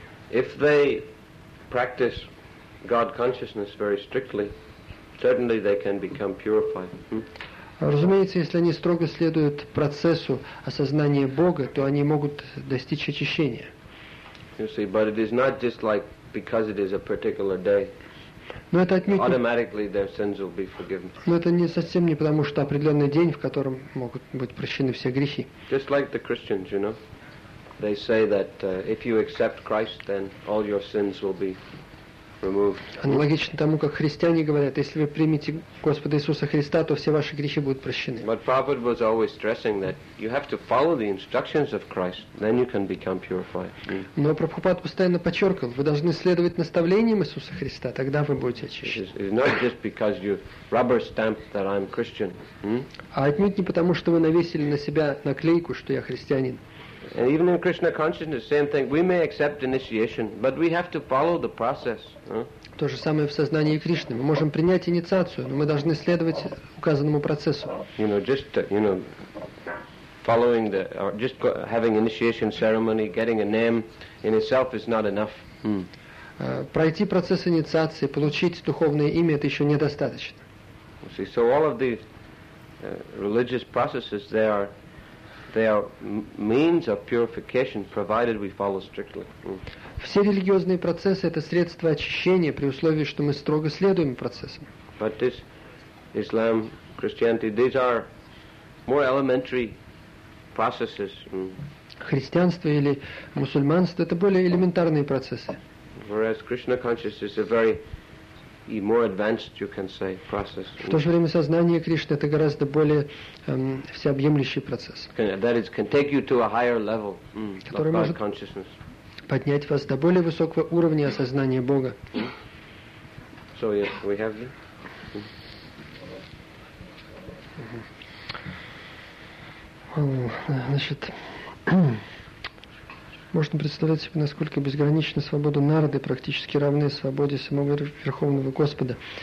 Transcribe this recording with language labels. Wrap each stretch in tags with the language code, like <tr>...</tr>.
<en>If they practice God consciousness very strictly, certainly they can become purified.</en> <ru>Разумеется, если они строго следуют процессу осознания Бога, то они могут достичь очищения.</ru> <en>You see, but it is not just like because it is a particular day.</en> <ru>Но это отнюдь</ru> <en>automatically their sins will be forgiven.</en> <ru>Но это не совсем не потому, что определенный день, в котором могут быть прощены все грехи.</ru> <en>Just like the Christians, you know. They say that if you accept Christ, then all your sins will be</en> <ru>Аналогично тому, как христиане говорят, если вы примете Господа Иисуса Христа, то все ваши грехи будут прощены.</ru> <en>But Prabhupada was always stressing that you have to follow the instructions of Christ, then you can become purified.</en> <ru>Но Прабхупада постоянно подчеркивал, вы должны следовать наставлениям Иисуса Христа, тогда вы будете очищены.</ru> <en>It's not just because you rubber stamped that I'm Christian.</en> <ru>А отнюдь не потому, что вы навесили на себя наклейку, что я христианин.</ru> <en>And even in Krishna consciousness, same thing. We may accept initiation, but we have to follow the process.</en> <ru>То же самое в сознании Кришны. Мы можем принять инициацию, но мы должны следовать указанному процессу.</ru> <en>You know, just you know, following the, or just having initiation ceremony, getting a name in itself is not enough.</en> <ru>Пройти процесс инициации, получить духовное имя, это еще недостаточно.</ru> <en>See, so all of these religious processes, they are means of purification, provided we follow strictly.</en> <ru>Все религиозные процессы — это средство очищения при условии, что мы строго следуем процессам.</ru> <en>But this Islam, Christianity, these are more elementary processes.</en> <ru>Христианство или мусульманство — это более элементарные процессы.</ru> <en>Whereas Krishna consciousness is a very more advanced, you can say, process.</en> <ru>В то же время сознание Кришны — это гораздо более всеобъемлющий процесс.</ru> <en>That is, can take you to a higher level of God consciousness.</en> <ru>Поднять вас до более высокого уровня осознания Бога.</ru> <en>So yes, we have it.</en> <ru>Значит, можно представить себе, насколько безгранична свобода Нарды, практически равны свободе самого Верховного Господа.</ru>